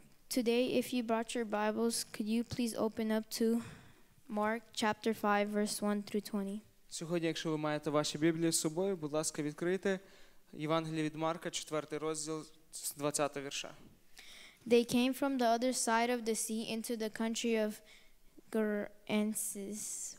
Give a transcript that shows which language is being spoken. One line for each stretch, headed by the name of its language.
English: Today, if you brought your Bibles, could you please open up to Mark chapter 5, verse 1-20?
Ukrainian: Сьогодні, якщо ви маєте ваші Біблії з собою, будь ласка, відкрийте Євангеліє від Марка, 4 розділ, 20 вірша.
English: They came from the other side of the sea into the country of Gerasenes.